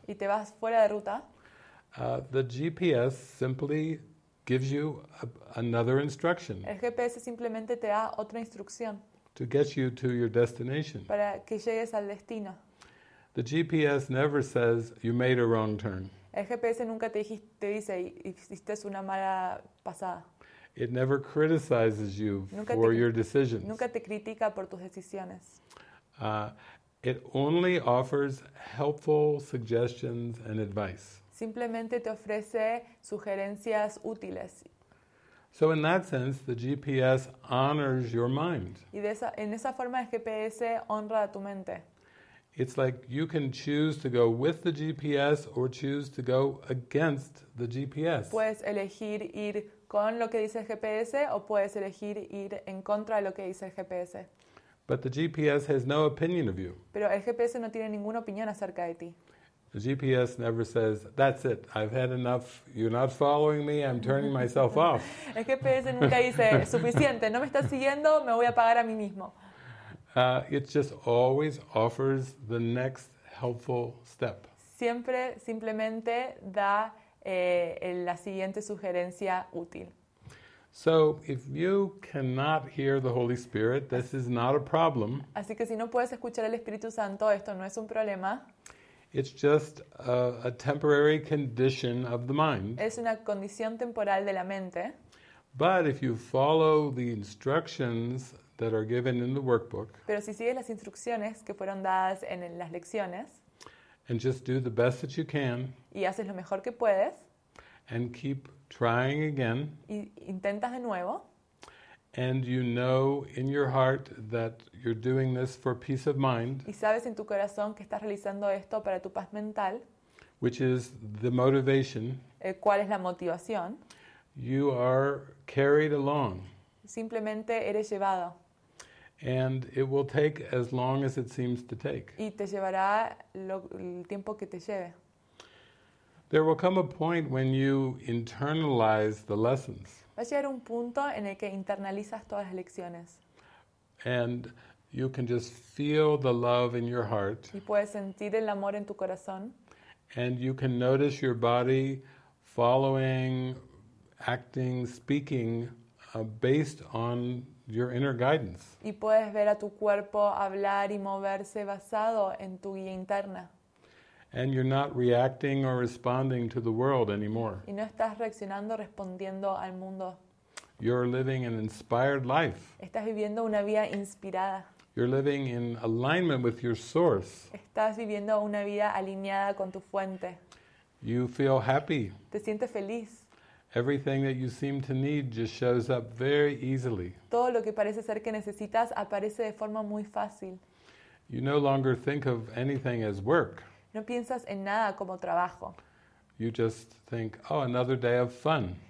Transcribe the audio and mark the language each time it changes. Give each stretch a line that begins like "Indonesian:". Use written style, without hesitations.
Spanish: Y te vas fuera de ruta.
English: The GPS simply gives you another instruction.
Spanish: El GPS simplemente te da otra instrucción.
English: To get you to your destination.
Spanish: Para que llegues al destino.
English: The GPS never says you made a wrong turn.
Spanish: El GPS nunca te dice hiciste una mala pasada.
English: It never criticizes you for your decisions.
Spanish: Nunca te critica por tus decisiones.
English: It only offers helpful suggestions and advice.
Spanish: Simplemente te ofrece sugerencias útiles.
English: So in that sense, the GPS honors your mind.
Spanish: Y en esa forma el GPS honra a tu mente.
English: It's like you can choose to go with the GPS or choose to go against the GPS.
Spanish: Puedes elegir ir con lo que dice el GPS o puedes elegir ir en contra de lo que dice el GPS.
English: But the GPS has no opinion of you.
Spanish: Pero el GPS no tiene ninguna opinión acerca de ti.
English: The GPS never says, that's it, I've had enough, you're not following me, I'm turning myself off.
Spanish: El GPS nunca dice, suficiente, no me estás siguiendo, me voy a apagar a mí mismo.
English: It just always offers the next helpful step.
Spanish: Siempre, simplemente da la siguiente sugerencia útil.
English: So if you cannot hear the Holy Spirit, this is not a problem.
Spanish: Así que si no puedes escuchar al Espíritu Santo, esto no es un problema.
English: It's just a temporary condition of the mind.
Spanish: Es una condición temporal de la mente.
English: But if you follow the instructions that are given in the workbook,
Spanish: pero si sigues las instrucciones que fueron dadas en las lecciones,
English: and just do the best that you can,
Spanish: y haces lo mejor que puedes,
English: and keep trying again,
Spanish: y intentas de nuevo,
English: and you know in your heart that you're doing this for peace of mind,
Spanish: y sabes en tu corazón que estás realizando esto para tu paz mental,
English: which is the motivation,
Spanish: ¿cuál es la motivación?
English: You are carried along.
Spanish: Simplemente eres llevado.
English: And it will take as long as it seems to take.
Spanish: Y te llevará el tiempo que te lleve.
English: There will come a point when you internalize the lessons.
Spanish: Va a llegar un punto en el que internalizas todas las lecciones.
English: And you can just feel the love in your heart.
Spanish: Y puedes sentir el amor en tu corazón.
English: And you can notice your body following, acting, speaking, based on your inner guidance.
Spanish: Y puedes ver a tu cuerpo hablar y moverse basado en tu guía interna.
English: And you're not reacting or responding to the world anymore.
Spanish: Y no estás reaccionando, respondiendo al mundo.
English: You're living an inspired life.
Spanish: Estás viviendo una vida inspirada.
English: You're living in alignment with your source.
Spanish: Estás viviendo una vida alineada con tu fuente.
English: You feel happy.
Spanish: Te sientes feliz.
English: Everything that you seem to need just shows up very easily.
Spanish: Todo lo que parece ser que necesitas aparece de forma muy fácil.
English: You no longer think of anything as work.
Spanish: No piensas en nada como trabajo.
English: You just think, oh, another day of fun.